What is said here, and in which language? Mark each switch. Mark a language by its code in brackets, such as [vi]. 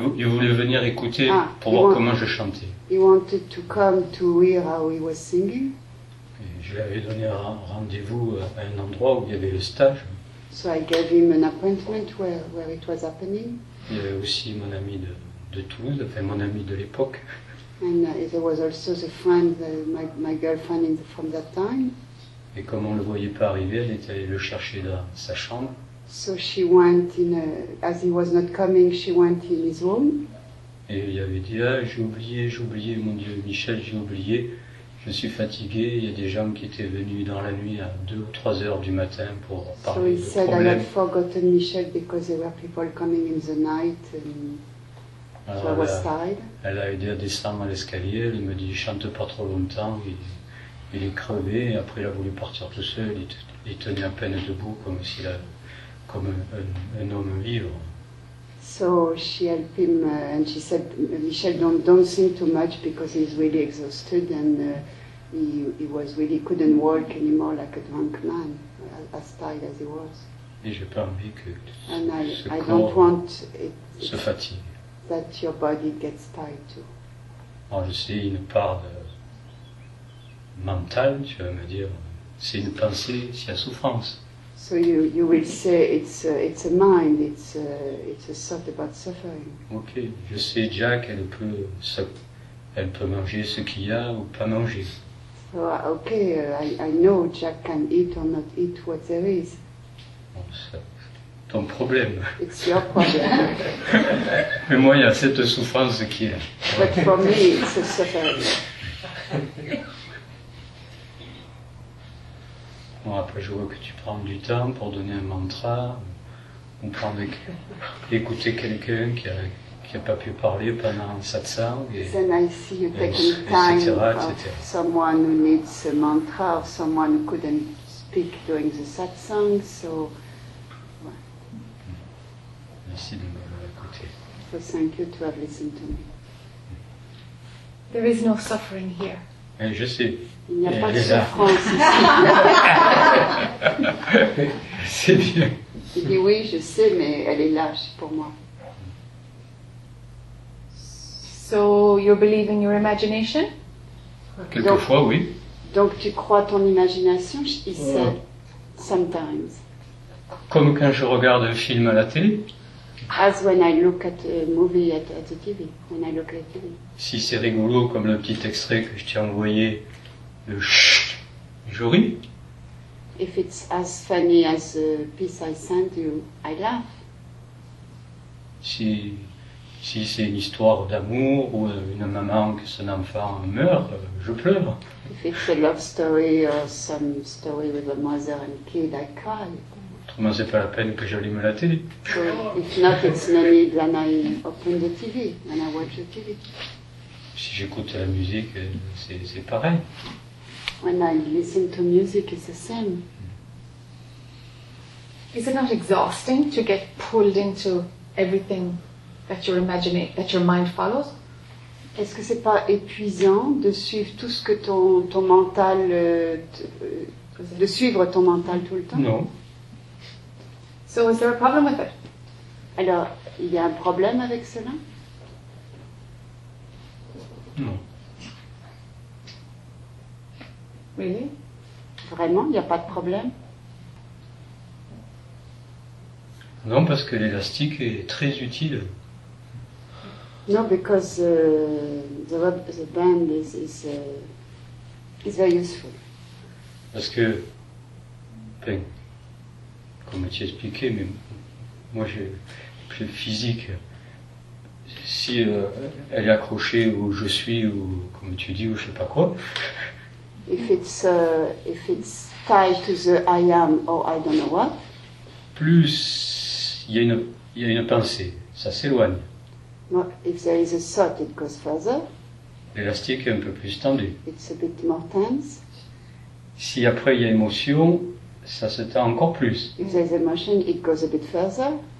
[fr] Il voulait venir écouter pour voir comment je chantais. [en] He wanted to come to hear how he was singing. [fr] Et je lui avais donné rendez-vous à un endroit où il y avait le stage. [en] So I gave him an appointment where it was happening. [fr] Il y avait aussi mon ami de Toulouse, enfin mon ami de l'époque. [en] And there was also the friend, my girlfriend in the, from that time. [fr] Et comme on ne le voyait pas arriver, elle était allée le chercher dans sa chambre. [en] So she went in, as he was not coming, she went in his room. [fr] Et il avait dit, ah, j'ai oublié, mon Dieu, Michel, j'ai oublié. Je suis fatigué, il y a des gens qui étaient venus dans la nuit à 2 ou 3 heures du matin pour parler de problèmes. [en] So he said I had forgotten Michel because there were people coming in the night and so I was tired. [fr] Elle a aidé à descendre à l'escalier, elle me dit chante pas trop longtemps, il est crevé, après il a voulu partir tout seul, il tenait à peine debout comme s'il a comme un homme vivre. [en] So she helped him and she said, Michel, don't sing too much because he's really exhausted and he was really couldn't walk anymore like a drunk man, as tired as he was. [fr] Et j'ai pas envie que [en] and [fr] ce [en] I [fr] corps [en] don't want it, [fr] se fatigue. [en] That your body gets tired too. [fr] Alors je sais une part de mental, tu vas me dire, c'est une pensée, c'est la souffrance. [en] So you will say it's a mind, it's a thought about suffering. [fr] Okay, je sais Jack, elle peut manger ce qu'il y a ou pas manger. [en] So, okay, I know Jack can eat or not eat what there is. [fr] Bon, ça, ton problème. [en] It's your problem. [fr] Mais moi, il y a cette souffrance qui est. [en] But for me, it's a suffering. [fr] Bon, après, je vois que tu prends du temps pour donner un mantra, ou prendre, écouter quelqu'un qui n'a pas pu parler pendant un satsang, [en] et, then I see you taking time etc. someone who needs a mantra or someone who couldn't speak during the satsang, so... [fr] Merci de m'avoir écouté. [en] So thank you to have listened to me. There is no suffering here. [fr] Et je sais. Il n'y a pas de souffrance ici. C'est bien. Il dit oui, je sais, mais elle est lâche pour moi. [en] So you believe in your imagination? [fr] Quelquefois, oui. Donc tu crois ton imagination, [en] he said, sometimes. [fr] Comme quand je regarde un film à la télé. [en] As when I look at a movie at the TV, when I look at the TV. [fr] Si c'est rigolo, comme le petit extrait que je t'ai envoyé, le chut, je ris. [en] If it's as funny as the piece I sent you, I laugh. [fr] Si c'est une histoire d'amour ou une maman que son enfant meurt, je pleure. [en] If it's a love story or some story with a mother and kid, I cry. [fr] Autrement, c'est pas la peine que j'allume la télé. [en] So, if not, it's no need when I open the TV, when I watch the TV. [fr] Si j'écoute la musique, c'est pareil. [en] When I listen to music, it's the same. Is it not exhausting to get pulled into everything that your that your mind follows? [fr] Est-ce que c'est pas épuisant de suivre tout ce que ton mental de suivre ton mental tout le temps? Non. [en] So is there a problem with it? [fr] Alors, il y a un problème avec cela? Non. [en] Really? [fr] Vraiment, il n'y a pas de problème? Non, parce que l'élastique est très utile. [en] No, because the band is very useful. [fr] Parce que, ben, comme tu expliquais, mais moi j'ai plus physique. Si elle est accrochée où je suis ou comme tu dis ou je sais pas quoi. [en] If it's tied to the I am or I don't know what. [fr] Plus il y a une pensée, ça s'éloigne. [en] If there is a thought, it goes further. [fr] L'élastique est un peu plus tendu. [en] It's a bit more tense. [fr] Si après il y a émotion, ça se tend encore plus. [en] If there is emotion, it goes a bit further.